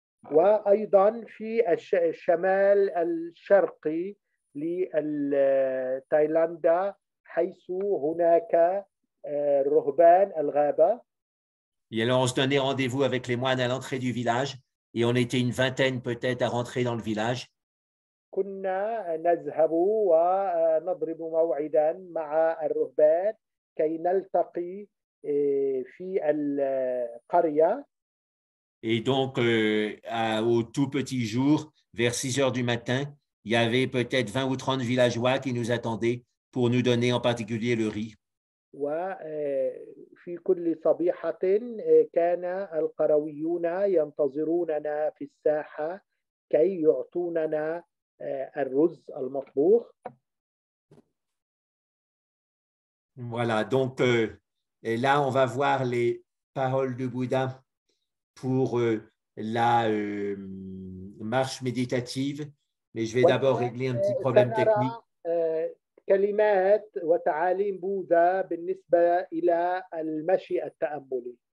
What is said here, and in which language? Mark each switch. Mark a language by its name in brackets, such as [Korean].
[Arabic] وأيضا في الشمال الشرقي لتايلاند حيث هناك رهبان الغابة. [French] Et alors, on se donnait rendez-vous avec les moines à l'entrée du village, et on était une vingtaine peut-être à rentrer dans le village. [Arabic] كنا نذهب ونضرب موعدا مع الرهبان كي نلتقي في القرية. [French] Et donc, au tout petit jour, vers 6 heures du matin, il y avait peut-être 20 ou 30 villageois qui nous attendaient pour nous donner en particulier le riz. [Arabic] وفي كل صبيحة كان القرويون ينتظروننا في الساحة كي يعطوننا الرز المطبوخ. [French] Voilà, donc et là on va voir les paroles du Bouddha pour la marche méditative, mais je vais d'abord régler un petit problème technique. [Arabic] كلمات وتعاليم بوذا بالنسبة إلى المشي التأملي.